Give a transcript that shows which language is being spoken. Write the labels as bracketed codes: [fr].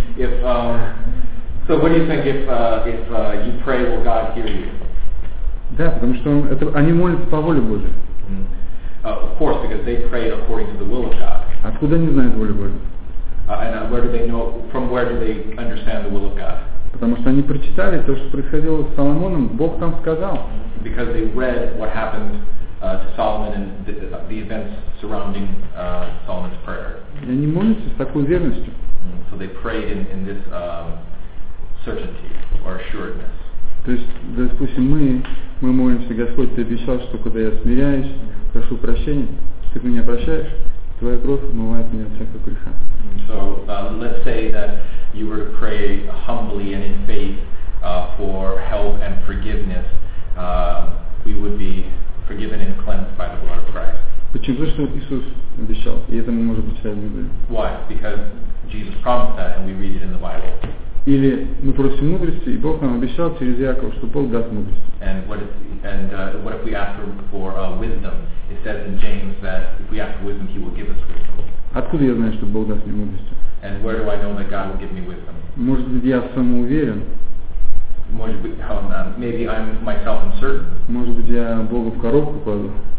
[en] If you pray, will God hear you? [ru] Да, потому что они молятся по воле Божьей. [en] Of course, because they prayed according to the will of God. [ru] Откуда они знают волю Божью? [en] From where do they understand the will of God? [ru] Потому что они прочитали то, что происходило с Соломоном, Бог там сказал. [en] Because they read what happened to Solomon and the events surrounding Solomon's prayer. [ru] И они молятся с такой верностью. [en] So they prayed in this certainty or assuredness. [ru] То есть, допустим, мы молимся: Господь, Ты обещал, что когда я смиряюсь, прошу прощения, Ты меня прощаешь, Твоя кровь умывает меня от всякого греха. [en] So, let's say that you were to pray humbly and in faith for help and forgiveness, we would be forgiven and cleansed by the blood of Christ. [ru] Почему? Потому что Иисус обещал, и это мы можем прочитать в Библии. [en] Why? Because Jesus promised that, and we read it in the Bible. [ru] Или мы просим мудрости, и Бог нам обещал через Якова, что Бог даст мудрость. [en] And what if we ask for wisdom? It says in James that if we ask for wisdom, He will give us wisdom. [ru] Откуда я знаю, что Бог даст мне мудрость? [en] And where do I know that God will give me wisdom? [ru] Может быть, я самоуверен? Может быть, [en] maybe I'm myself uncertain. [ru] Может быть, я Бога в коробку кладу?